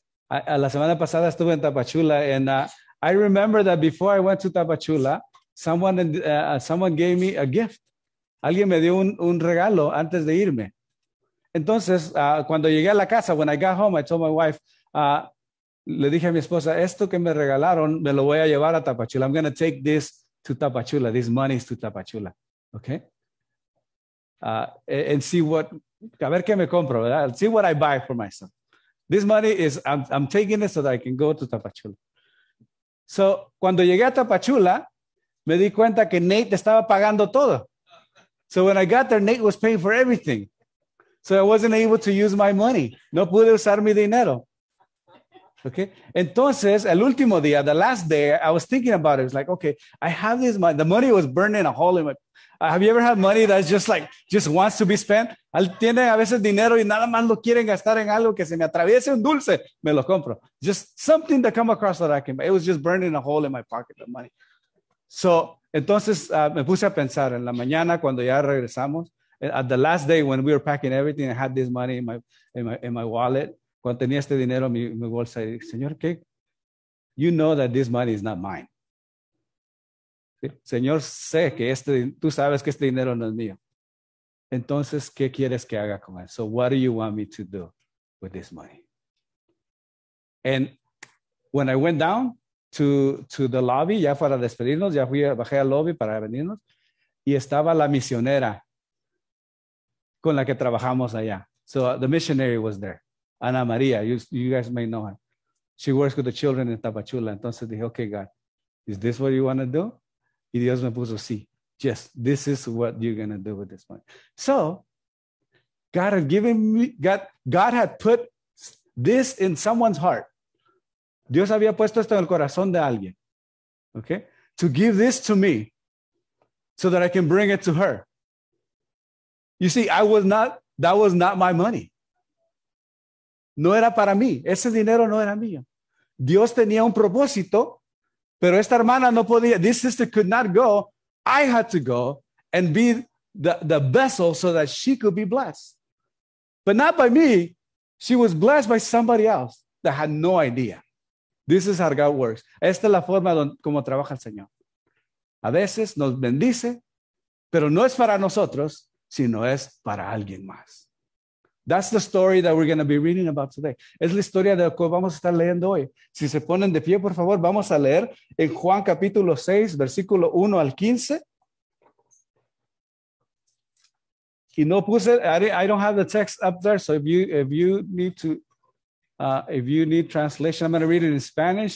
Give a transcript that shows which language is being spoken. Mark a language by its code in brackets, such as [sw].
[es] La semana pasada estuve en Tapachula, [en] and I remember that before I went to Tapachula, someone gave me a gift. [es] Alguien me dio un regalo antes de irme. Entonces, cuando llegué a la casa, [en] when I got home, I told my wife, [es] le dije a mi esposa, esto que me regalaron, me lo voy a llevar a Tapachula. [en] I'm going to take this to Tapachula. This money is to Tapachula. Okay? And see what, [es] a ver qué me compro, ¿verdad? [en] I'll see what I buy for myself. This money is, I'm taking it so that I can go to Tapachula. [es] So, cuando llegué a Tapachula, me di cuenta que Nate estaba pagando todo. [en] So, when I got there, Nate was paying for everything. So, I wasn't able to use my money. [es] No pude usar mi dinero. [en] Okay? [es] Entonces, el último día, [en] the last day, I was thinking about it. It was like, okay, I have this money. The money was burning a hole in my... Have you ever had money that's just like, just wants to be spent? [es] Tiene a veces dinero y nada más lo quieren gastar en algo que se me atraviese un dulce, me lo compro. [en] Just something that come across that I can, it was just burning a hole in my pocket, the money. [es] So, entonces me puse a pensar en la mañana cuando ya regresamos, [en] at the last day when we were packing everything, I had this money in my wallet, [es] cuando tenía este dinero en mi bolsa, y dije, Señor, ¿qué? [en] You know that this money is not mine. [es] Señor, sé que este, tú sabes que este dinero no es mío. Entonces, ¿qué quieres que haga con él? [en] So, what do you want me to do with this money? And when I went down to the lobby, [es] ya para despedirnos, ya fui, bajé al lobby para venirnos, y estaba la misionera con la que trabajamos allá. [en] So, the missionary was there. Ana María, you guys may know her. She works with the children in Tapachula. [es] Entonces dije, [en] okay, God, is this what you want to do? [es] Y Dios me puso, sí, [en] yes, this is what you're going to do with this money. So, God had given me, God had put this in someone's heart. [es] Dios había puesto esto en el corazón de alguien. Okay? [en] To give this to me so that I can bring it to her. You see, I was not, that was not my money. [es] No era para mí. Ese dinero no era mío. Dios tenía un propósito. Pero esta hermana no podía, [en] this sister could not go. I had to go and be the vessel so that she could be blessed. But not by me. She was blessed by somebody else that had no idea. This is how God works. [es] Esta es la forma como trabaja el Señor. A veces nos bendice, pero no es para nosotros, sino es para alguien más. [en] That's the story that we're going to be reading about today. [es] Es la historia de lo que vamos a estar leyendo hoy. Si se ponen de pie, por favor, vamos a leer en Juan capítulo 6, versículo 1 al 15. Y no puse, [en] I don't have the text up there, so if you need to, If you need translation, I'm going to read it in Spanish.